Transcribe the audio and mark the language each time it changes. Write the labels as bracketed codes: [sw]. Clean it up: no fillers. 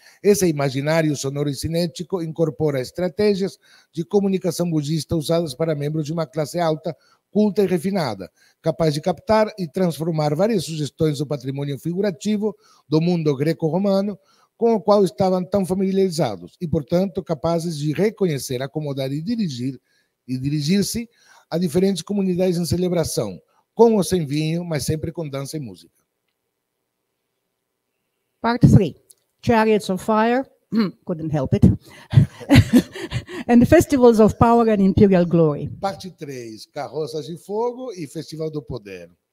[pt] Esse imaginário sonoro e cinético incorpora estratégias de comunicação budista usadas para membros de uma classe alta, culta e refinada, capaz de captar e transformar várias sugestões do patrimônio figurativo do mundo greco-romano com o qual estavam tão familiarizados e, portanto, capazes de reconhecer, acomodar e dirigir-se a diferentes comunidades em celebração, com ou sem vinho, mas sempre com dança e música. [en] Part 3. Chariots of fire, couldn't help it, and the festivals of power and imperial glory. [pt] Parte 3, carroças de fogo e festival do poder.